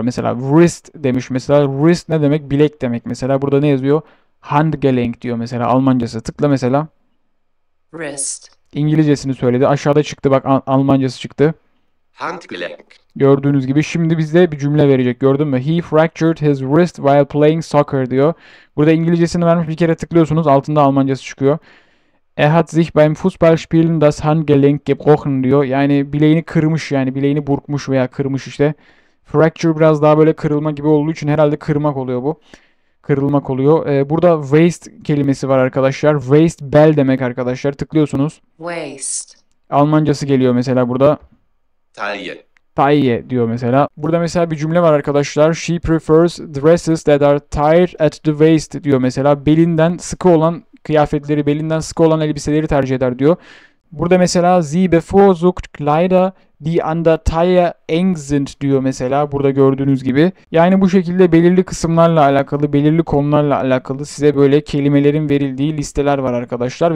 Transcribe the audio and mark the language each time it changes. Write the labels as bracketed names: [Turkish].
[Turkish] Mesela wrist demiş mesela. Wrist ne demek? Bilek demek mesela. Burada ne yazıyor? Handgelenk diyor mesela Almancası. Tıkla mesela. [English] Wrist. [Turkish] İngilizcesini söyledi. Aşağıda çıktı bak Almancası çıktı. [German] Handgelenk. [Turkish] Gördüğünüz gibi şimdi bize bir cümle verecek. Gördün mü? [English] He fractured his wrist while playing soccer [Turkish] diyor. Burada İngilizcesini vermiş. Bir kere tıklıyorsunuz. Altında Almancası çıkıyor. [German] Er hat sich beim Fußballspielen das Handgelenk gebrochen [Turkish] diyor. Yani bileğini kırmış yani bileğini burkmuş veya kırmış işte. Fracture biraz daha böyle kırılma gibi olduğu için herhalde kırmak oluyor bu. Kırılmak oluyor. Burada waist kelimesi var arkadaşlar. Waist bel demek arkadaşlar. Tıklıyorsunuz. [English] Waist. [Turkish] Almancası geliyor mesela burada. [German] Taille. [Turkish] Taille diyor mesela. Burada mesela bir cümle var arkadaşlar. [English] She prefers dresses that are tied at the waist [Turkish] diyor mesela. Belinden sıkı olan kıyafetleri, belinden sıkı olan elbiseleri tercih eder diyor. Burada mesela [German] sie bevorzugt Kleider, die an der Taille eng sind [Turkish] diyor mesela. Burada gördüğünüz gibi. Yani bu şekilde belirli kısımlarla alakalı, belirli konularla alakalı size böyle kelimelerin verildiği listeler var arkadaşlar.